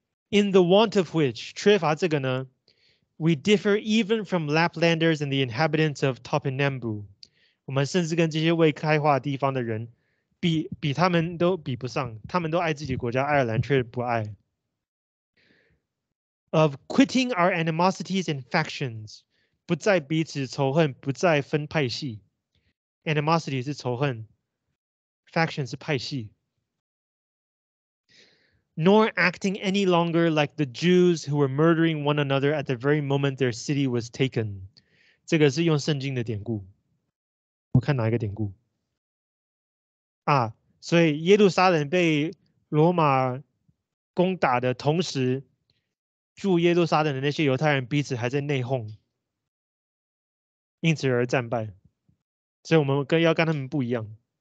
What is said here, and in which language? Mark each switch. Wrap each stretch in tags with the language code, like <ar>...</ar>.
<en>In the want of which，</en> <zh>缺乏这个呢</zh> <en>，we differ even from Laplanders and the inhabitants of Topinambu。</en> <zh>我们甚至跟这些未开化地方的人比他们都比不上，他们都爱自己国家，爱尔兰却不爱。</zh> <en>Of quitting our animosities and factions。</en> <zh>不再彼此仇恨，不再分派系。 Animosity 是仇恨 ，faction 是派系。</zh> <en>Nor acting any longer like the Jews who were murdering one another at the very moment their city was taken。</en> <zh>这个是用圣经的典故。我看哪一个典故？啊，所以耶路撒冷被罗马攻打的同时，住耶路撒冷的那些犹太人彼此还在内讧。因此而战败，所以我们要跟他们不一样。</zh>